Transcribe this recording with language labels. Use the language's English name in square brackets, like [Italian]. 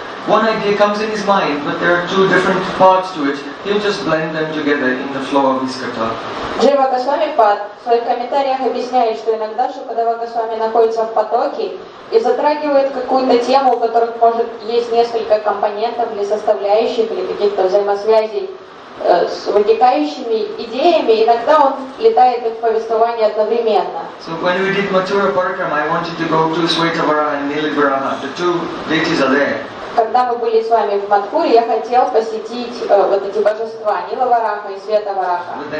[English] One idea comes in his mind, but there are two different parts to it. He'll just blend them together in the flow of his katha. [Russian] Джива Госвами Пад в своих комментариях объясняет, что иногда Шукадева Госвами находится в потоке и затрагивает какую-то тему, у которой может есть несколько компонентов или составляющих, или каких-то взаимосвязей с вытекающими идеями, иногда он летает в повествование одновременно. [English] So when we did Mathura Parikrama, I wanted to go to Shweta Varaha and Nila Varaha. The two deities are there. [Russian] когда мы были с вами в Матхуре, я хотел посетить вот эти божества Нила Вараха и Света Вараха.